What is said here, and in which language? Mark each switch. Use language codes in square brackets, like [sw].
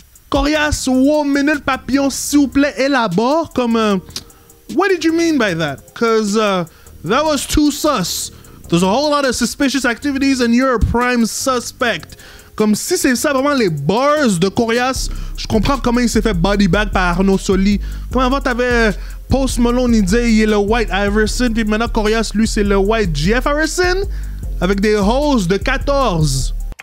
[fr] Corias, [en] one minute [fr] papillon, s'il vous plaît, élabore. [en] Comme, what did you mean by that? Cause, that was too sus. There's a whole lot of suspicious activities and you're a prime suspect. [fr] Comme si c'est ça vraiment les bars de Corias, je comprends comment il s'est fait body bag par Arnaud Soli. Comme avant, t'avais Post Malone, il disait il est le White Iverson, puis maintenant Corias, lui, c'est le White Jeff Harrison? Avec des hoses de 14.